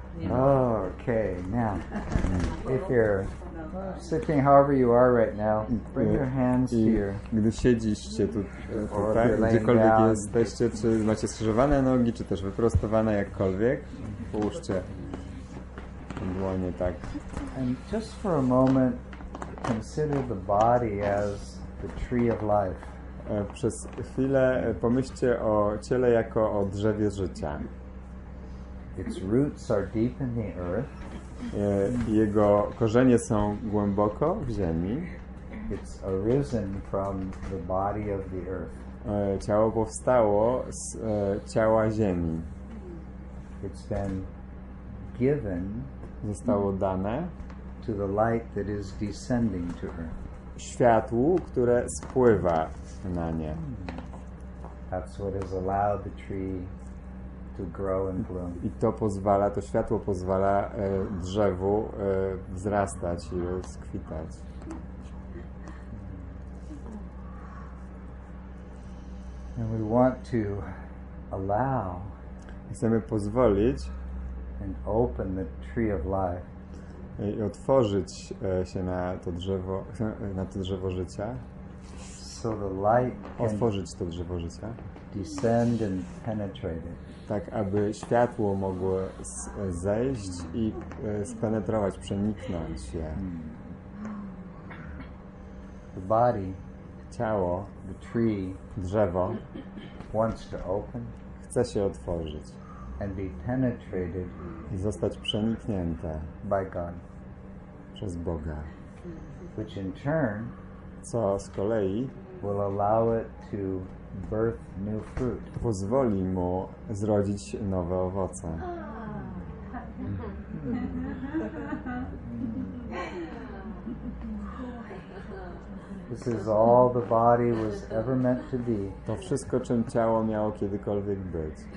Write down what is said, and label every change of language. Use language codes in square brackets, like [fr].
[en] Okay, now, if you're sitting however you are right now, bring your hands to your... [pl] Gdy siedzicie tutaj, gdziekolwiek jesteście, czy macie skrzyżowane nogi, czy też wyprostowane jakkolwiek, połóżcie. Dłonie, tak. [en] And just for a moment, consider the body as the tree of life. [pl] Przez chwilę pomyślcie o ciele jako o drzewie życia. [en] Its roots are deep in the earth. [pl] Jego korzenie są głęboko w ziemi. [en] It's arisen from the body of the earth. [pl] Ciało powstało z ciała ziemi. [en] It's been given. [pl] Zostało dane [en] to the light that is descending to her. [pl] Światłu, które spływa na nie. [en] That's what has allowed the tree to grow and bloom. [pl] I to pozwala, to światło pozwala drzewu wzrastać i rozkwitać. [en] And we want to allow. [pl] Chcemy pozwolić. [en] And open the tree of life. [pl] I otworzyć się na to drzewo, życia. [en] So the light [pl] otworzyć to drzewo życia. [en] Descend and penetrate it. [pl] Tak, aby światło mogło zejść i spenetrować, przeniknąć je. [en] The body, [pl] ciało, [en] the tree, [pl] drzewo, [en] wants to open. [pl] Chce się otworzyć. [en] And be penetrated [pl] i zostać przeniknięte [en] by God. [pl] Przez Boga. [en] Which in turn, [pl] co z kolei, [en] will allow it to birth new fruit. [pl] Pozwoli mu zrodzić nowe owoce. [en] This is all the body was ever meant to be. [pl] To wszystko, czym ciało miało kiedykolwiek być.